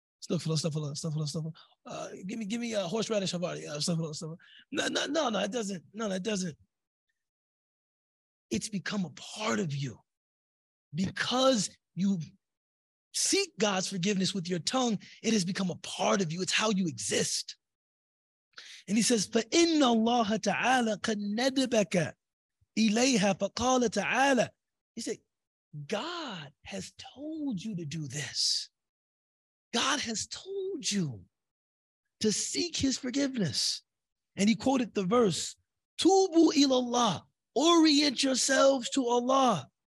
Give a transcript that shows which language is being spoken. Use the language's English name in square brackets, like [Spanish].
[English] Astaghfirullah, astaghfirullah, astaghfirullah, astaghfirullah. Give me a horseradish havarti. Astaghfirullah, astaghfirullah. No, it doesn't. No, it doesn't. It's become a part of you. Because you seek God's forgiveness with your tongue, it has become a part of you. It's how you exist. And he says, [Arabic] فَإِنَّ اللَّهَ تَعَالَى قَدْ نَدَبَكَ إِلَيْهَا فَقَالَ تَعَالَى. [English] He said, God has told you to do this. God has told you to seek his forgiveness. And he quoted the verse, Tubu ila Allah, orient yourselves to Allah.